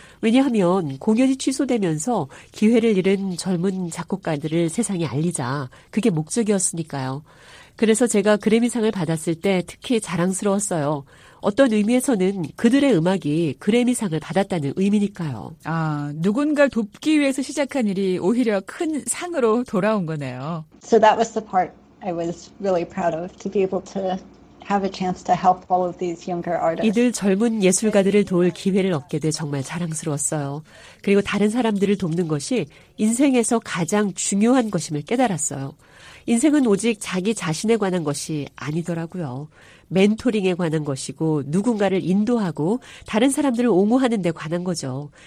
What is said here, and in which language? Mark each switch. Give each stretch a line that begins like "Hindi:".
Korean: 왜냐하면 공연이 취소되면서 기회를 잃은 젊은 작곡가들을 세상에 알리자. 그게 목적이었으니까요. 그래서 제가 그래미상을 받았을 때 특히 자랑스러웠어요. 어떤 의미에서는 그들의 음악이 그래미상을 받았다는 의미니까요. 아, 누군가를 돕기 위해서 시작한 일이 오히려 큰 상으로 돌아온 거네요.
English: So that was the part I was really proud of to be able to have a chance to help all of these younger artists.
Korean: 이들 젊은 예술가들을 도울 기회를 얻게 돼 정말 자랑스러웠어요. 그리고 다른 사람들을 돕는 것이 인생에서 가장 중요한 것임을 깨달았어요. 인생은 오직 자기 자신에 관한 것이 아니더라고요. 멘토링에 관한 것이고 누군가를 인도하고 다른 사람들을 옹호하는 데 관한 거죠.